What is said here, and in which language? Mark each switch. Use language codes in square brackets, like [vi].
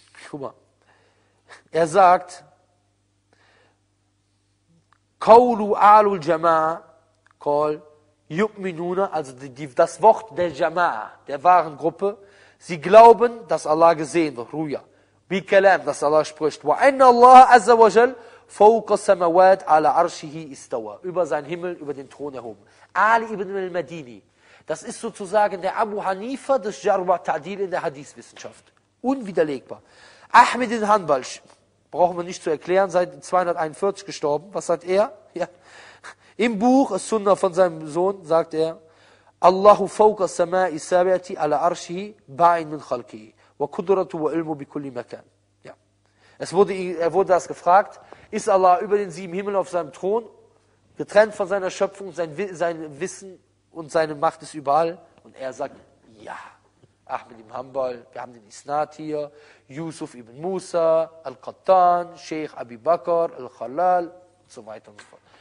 [de] guck mal, er sagt, [ar] Qawlu alul Jama'a, qal, yu'minuna, [de] also das Wort der Jama'a, der wahren Gruppe, sie glauben, dass Allah gesehen wird, Ruya, bi kalam, dass Allah spricht, [ar] wa anna Allah azza wa jal, فوق السماوات على عرشه استوى, [de] über seinen Himmel, über den Thron erhoben. Ali ibn al-Madini, das ist sozusagen der Abu Hanifa des Jarwa Ta'dil in der Hadith-Wissenschaft. Unwiderlegbar. Ahmed ibn Hanbal, brauchen wir nicht zu erklären, seit 241 gestorben. Was sagt er? Ja. Im Buch Sunnah von seinem Sohn sagt er, [ar] Allahu فوق السماء السابعتي على عرشه باين من خلقه وقدرته وعلمه بكل مكان. [de] Ja. Er wurde das gefragt, ist Allah über den sieben Himmel auf seinem Thron, getrennt von seiner Schöpfung, sein Wissen und seine Macht ist überall? Und er sagt, ja. Ahmed ibn Hanbal, wir haben den Isnad hier, Yusuf ibn Musa, Al-Qattan, Sheikh Abi Bakr, Al-Khalal, und so weiter und so fort.